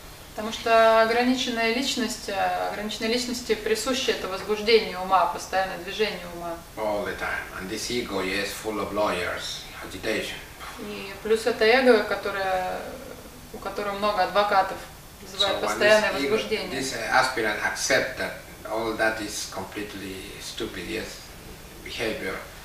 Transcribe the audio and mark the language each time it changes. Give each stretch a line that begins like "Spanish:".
Russian: Потому что ограниченная личность, ограниченной личности присуще это возбуждение ума, постоянное движение ума.
English: All the time. And this ego, yes, full of lawyers, agitation.
Russian: И плюс это эго, которое, у которого много адвокатов, вызывает постоянное возбуждение.
English: This aspirant accept that all that is completely stupid, yes, behavior.